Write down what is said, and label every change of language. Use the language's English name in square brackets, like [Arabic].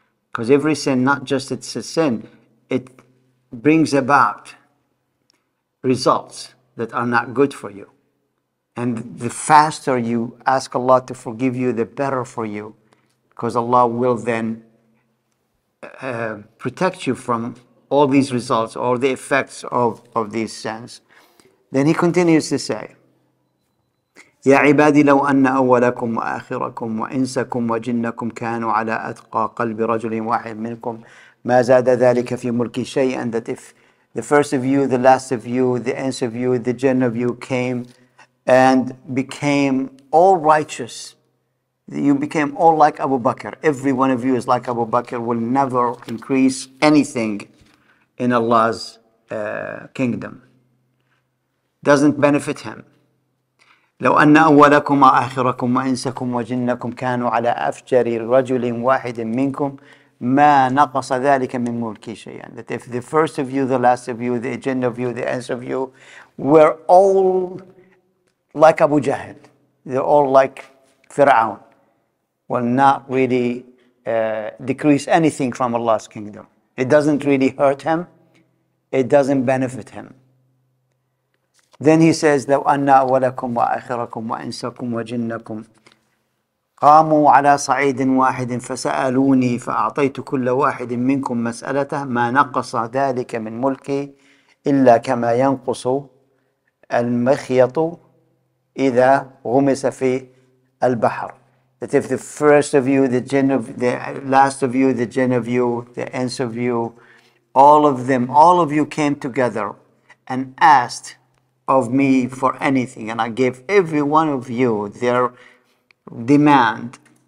[English] Because every sin, not just it's a sin, it brings about results that are not good for you. And the faster you ask Allah to forgive you, the better for you. Because Allah will then protect you from all these results, all the effects of these sins. Then he continues to say, [Arabic] يا عبادي لو أن أولكم وآخركم وإنسكم وجنكم كانوا على أتقى قلب رجل واحد منكم ما زاد ذلك في ملكي شيئا. [English] And that if the first of you, the last of you, the ants of you, the jinn of you came and became all righteous, you became all like Abu Bakr, every one of you is like Abu Bakr, will never increase anything in Allah's kingdom. Doesn't benefit him. [Arabic] لو أن أولكم وآخركم وإنسكم وجنكم كانوا على أفجر رجل واحد منكم ما نقص ذلك من ملكي شيئا. [English] That if the first of you, the last of you, the jinn of you, the ants of you were all like Abu Jahl, they're all like Fir'aun, will not really decrease anything from Allah's kingdom. It doesn't really hurt him. It doesn't benefit him. Then he says, [Arabic] لو أن أولكم وآخركم وإنسكم وجنكم قاموا على صعيد واحد فسألوني فأعطيت كل واحد منكم مسألته ما نقص ذلك من ملكي إلا كما ينقص المخيط إذا غمس في البحر. [English] That if the first of you, the jinn of the last of you, the jinn of you, the ants of you, all of them, all of you came together and asked of me for anything, and I gave every one of you their demand,